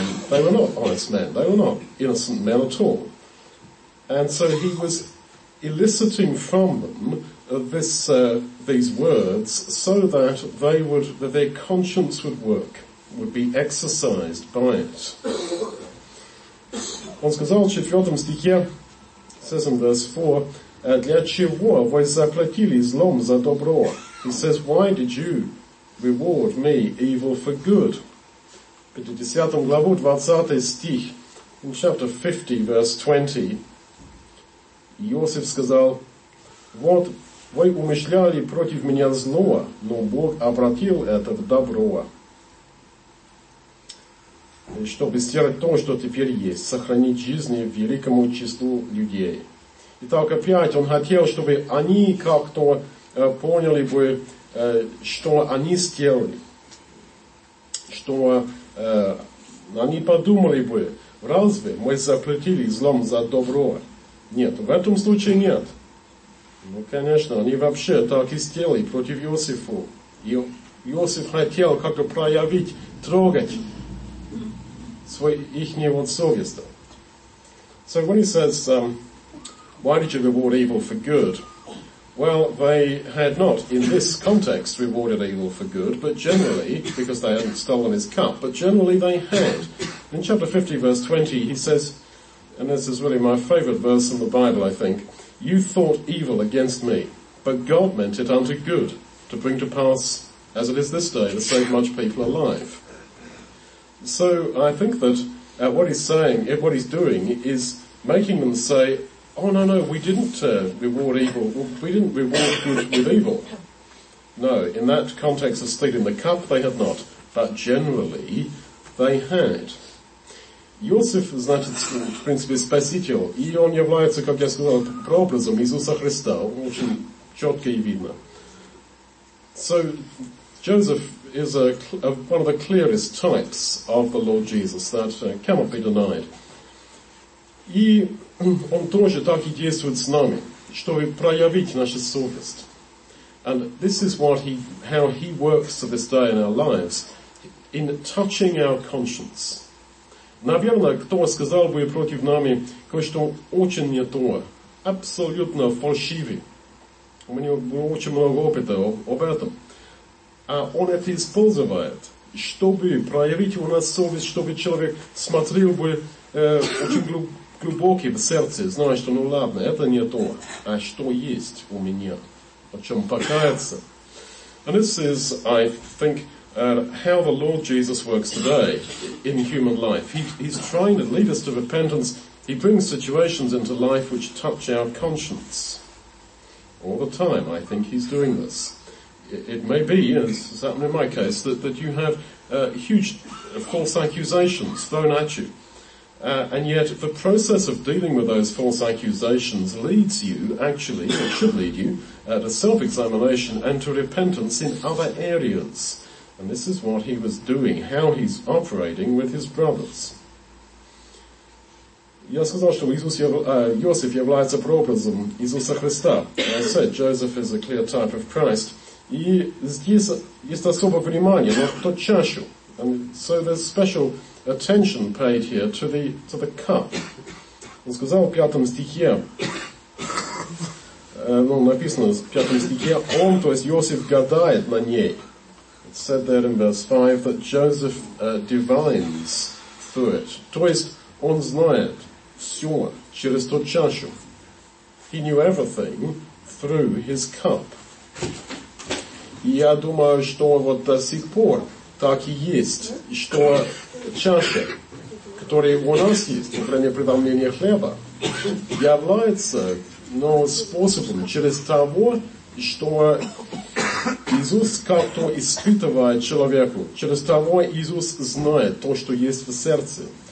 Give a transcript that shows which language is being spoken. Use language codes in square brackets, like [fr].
[en] They were not honest men. They were not innocent men at all. And so he was eliciting from them these words so that they would, that their conscience would work, would be exercised by it. [ru] Он сказал в 4 стихе, [en] says in verse 4, [ru] для чего вы заплатили злом за добро? [en] He says, why did you reward me evil for good? [ru] В 10 главу, 20 стих, [en] in chapter 50, verse 20, [ru] Иосиф сказал, вот вы умышляли против меня зло, но Бог обратил это в добро, чтобы сделать то, что теперь есть, сохранить жизни великому числу людей. Итак, опять он хотел, чтобы они как-то поняли бы, что они сделали, что они подумали бы, разве мы заплатили злом за добро? Нет, в этом случае нет. Ну, конечно, они вообще так и сделали против Иосифа. Иосиф хотел как-то проявить, трогать их вот совесть. [en] So when he says, why did you reward evil for good? Well, they had not in this context rewarded evil for good, but generally, because they hadn't stolen his cup, but generally they had. In chapter 50, verse 20, he says, and this is really my favorite verse in the Bible, I think. You thought evil against me, but God meant it unto good, to bring to pass, as it is this day, to save much people alive. So I think that what he's doing is making them say, oh, no, no, we didn't reward evil. We didn't reward good with evil. No, in that context of stealing the cup, they had not. But generally, they had. [ru] Иосиф, значит, в принципе, спаситель, и он является, как я сказал, прообразом Иисуса Христа. Очень четко и видно. [en] So, Joseph is one of the clearest types of the Lord Jesus that cannot be denied. [ru] И он тоже так и действует с нами, чтобы проявить нашу совесть. [en] And this is how he works to this day in our lives, in touching our conscience. [ru] Наверное, кто сказал бы против нами кое-что очень не то, абсолютно фальшивый. У меня было очень много опыта об этом. А он это использует, чтобы проявить у нас совесть, чтобы человек смотрел бы очень глубоким сердце знает, что ну ладно, это не то, а что есть у меня, о чем покаяться. [en] And this is, I think, how the Lord Jesus works today in human life. He's trying to lead us to repentance. He brings situations into life which touch our conscience. All the time, I think he's doing this. It may be, as has happened in my case, that you have huge false accusations thrown at you. And yet the process of dealing with those false accusations leads you, actually, it should lead you, to self-examination and to repentance in other areas. And this is what he was doing, how he's operating with his brothers. [ru] Я сказал, что Иосиф является прообразом Иисуса Христа. [en] I said, Joseph is a clear type of Christ. [ru] И здесь есть особое внимание на ту чашу. [en] And so there's special attention paid here to the cup. [ru] Он сказал в пятом стихе, ну, написано в пятом стихе, он, то есть Иосиф, гадает на ней. [en] It's said there in verse 5 that Joseph divines through it. [ru] То есть он знает все через ту чашу. [en] He knew everything through his cup. [ru] Я думаю, что вот до сих пор так и есть, что чаша, которая у нас есть, кроме преломления хлеба, является, но способом через того, что Иисус как-то испытывает человеку, через того Иисус знает то, что есть в сердце.